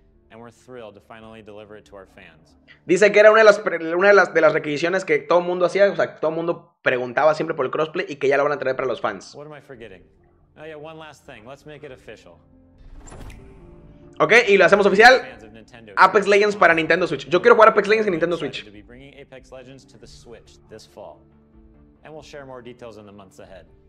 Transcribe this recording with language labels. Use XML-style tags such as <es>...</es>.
<en>And we're thrilled to finally deliver it to our fans.</en> <es>Dice que era una de las requisiciones que todo el mundo hacía, o sea, todo el mundo preguntaba siempre por el crossplay y que ya lo van a traer para los fans.</es> <en>What am I forgetting? Oh, yeah, one last thing. Let's make it official.</en> <es>Okay, y lo hacemos oficial. Apex Legends para Nintendo Switch. Yo quiero jugar Apex Legends en Nintendo Switch.</es> <en>We'll be bringing Apex Legends to the Switch this fall. And we'll share more details in the months ahead.</en>